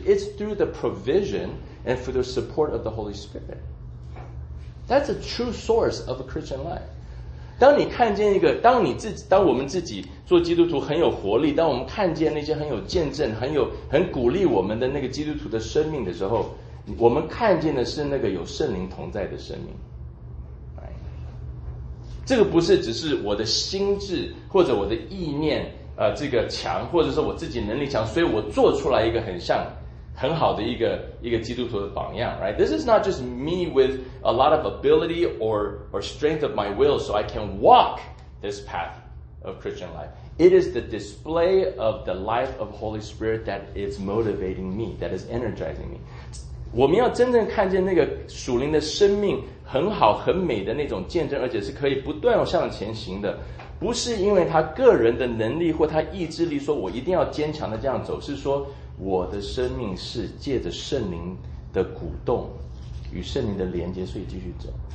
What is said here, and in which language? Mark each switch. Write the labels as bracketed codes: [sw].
[en] It's through the provisionAnd for the support of the Holy Spirit. That's a true source of a Christian life. [zh] 当你看见一个，当你自己，当我们自己做基督徒很有活力，当我们看见那些很有见证、很鼓励我们的那个基督徒的生命的时候，我们看见的是那个有圣灵同在的生命。这个不是只是我的心智或者我的意念这个强，或者说我自己能力强，所以我做出来一个很好的一个基督徒的榜样， right? [en] This is not just me with a lot of ability or strength of my will so I can walk this path of Christian life. It is the display of the life of Holy Spirit that is motivating me, that is energizing me. [zh] 我们要真正看见那个属灵的生命很好很美的那种见证，而且是可以不断向前行的，不是因为他个人的能力或他意志力说我一定要坚强的这样走，是说我的生命是借着圣灵的鼓动与圣灵的连接，所以继续走。